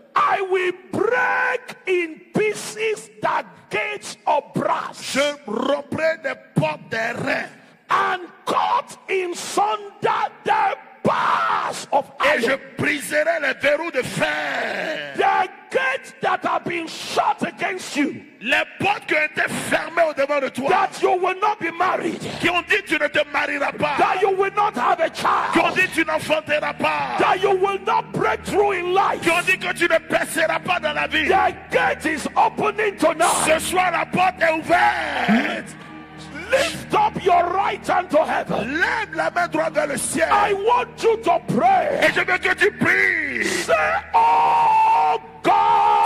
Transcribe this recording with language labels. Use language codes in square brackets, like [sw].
[en] I will break in pieces the gates of brass. [fr] Je romprai les portes des reins. [en] And cut in sunder the bars of iron. [fr] Et je briserai les verrous de fer. [en] The gates that have been shut against you. [fr] Les portes qui ont été fermées au devant de toi. [en] That you will not be married. [fr] Qui ont dit tu ne te marieras pas. [en] That you will not have a child. [fr] Qui ont dit tu n'enfanteras pas. [en] That you will not break through in life. [fr] Qui ont dit que tu ne perceras pas dans la vie. [en] The gate is opening tonight. [fr] Ce soir la porte est ouverte. [en] Lift up your right hand to heaven. [fr] Lève la main droite vers le ciel. [en] I want you to pray. [fr] Et je veux que tu pries. [en] Say, oh God.